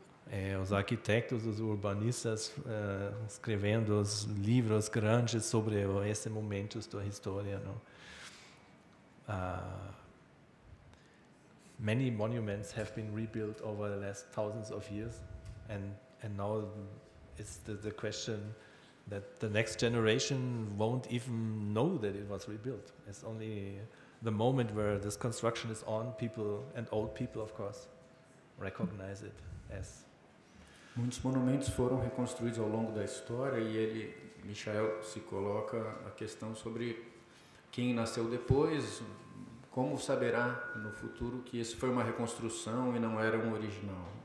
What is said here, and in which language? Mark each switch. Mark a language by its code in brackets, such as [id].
[pt] E os arquitetos, os urbanistas escrevendo os livros grandes sobre esse momento da história, não? [en] Many monuments have been rebuilt over the last thousands of years, and now it's the question that the next generation won't even know that it was rebuilt. It's only the moment where this construction is on, people and old people, of course, recognize it as. [pt] Muitos monumentos foram reconstruídos ao longo da história e ele, Michael, se coloca a questão sobre quem nasceu depois. Como saberá no futuro que isso foi uma reconstrução e não era um original?